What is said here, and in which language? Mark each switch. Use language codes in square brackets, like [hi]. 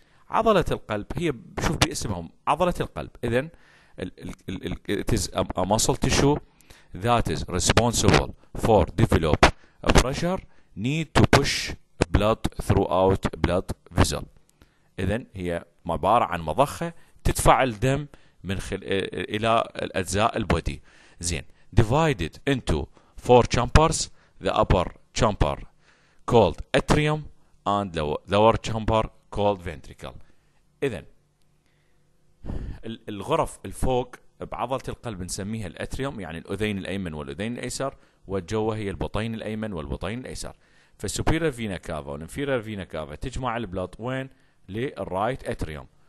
[ar] عضلة القلب هي، شوف باسمهم، عضلة القلب. [en] إذن it is a muscle tissue that is responsible for develop pressure need to push blood throughout blood vessel. [ar] إذن هي عبارة عن مضخة تدفع الدم من إلى الأجزاء البودي. [en] زين divided into four chambers، the upper chamber called atrium and the lower chamber called ventricle. [ar] إذن الغرف الفوق بعضلة القلب نسميها الأتريوم، يعني الأذين الأيمن والأذين الأيسر، والجوه هي البطين الايمن والبطين الايسر. فالسوبيريور فينا كافا والانفيريور فينا كافا تجمع البلوت وين؟ للرايت اتريوم.